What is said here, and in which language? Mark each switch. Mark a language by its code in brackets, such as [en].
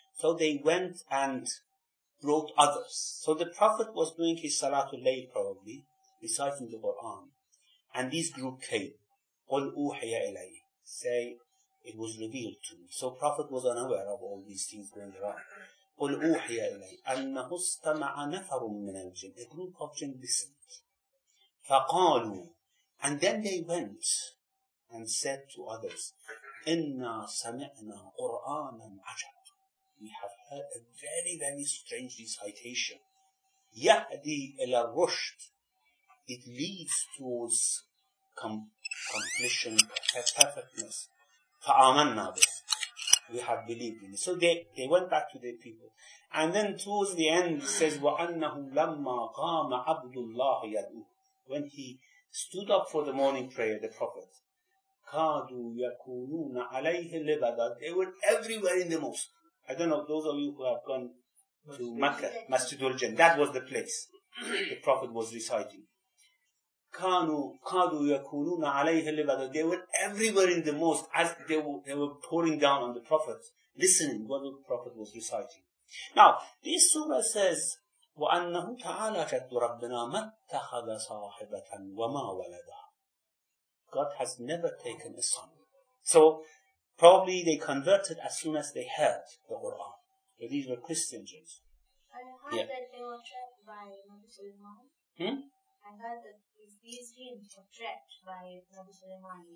[en] So they went and brought others. So the Prophet was doing his Salatul Layl probably, reciting the Quran. And this group came. [ar] قُلْ أُوحِيَ إِلَيْهِ. [en] Say, it was revealed to me. So Prophet was unaware of all these things going around. [ar] قُلْ أُوحِيَ إِلَيْهِ أَنَّهُ اسْتَمَعَ نَفَرٌ مِّنَ الْجِنِّ. [en] A group of jinn listened. [ar] فَقَالُوا. [en] And then they went and said to others, [ar] إِنَّا سَمِعْنَا قُرْآنًا عَجَبًا. [en] We have heard a very, very strange recitation. [ar] يَهْدِي إِلَى الرُّشْدِ. [en] it leads towards completion, perfectness. [ar] فَآمَنَّا بِهِ. [en] We have believed in it. So they went back to their people. And then towards the end, it says, [ar] وَأَنَّهُ لَمَّا قَامَ عَبْدُ اللَّهِ يَدُوهُ. [en] When he stood up for the morning prayer, the Prophet, [ar] كَادُوا يَكُونُونَ عَلَيْهِ لِبَدَا. [en] They were everywhere in the mosque. I don't know, those of you who have gone to Mecca, Masjid al-Jinn, that was the place the Prophet was reciting. [ar] كَادُوا يَكُونُونَ عَلَيْهِ لِبَدَا. [en] They were everywhere in the mosque as they were pouring down on the Prophet, listening what the Prophet was reciting. Now, this surah says, [ar] وَأَنَّهُ تَعَالَى جَدُّ رَبِّنَا مَتَّخَذَ صَاحِبَةً وَمَا وَلَدَا. [en] God has never taken a son. So, probably they converted as soon as they heard the Quran. So these were Christian Jews. I heard that they were trapped by Nabi Sulaiman. I heard that these Jews were trapped by Nabi Sulaiman.